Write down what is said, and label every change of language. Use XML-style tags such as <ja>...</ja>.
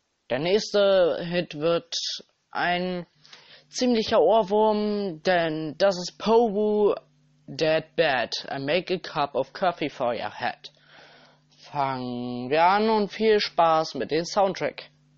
<de>Der nächste Hit wird ein ziemlicher Ohrwurm, denn das ist Powu, Dead Bad.</de> <en>I make a cup of coffee for your head.</en> <de>Fangen wir an und viel Spaß mit dem Soundtrack.</de>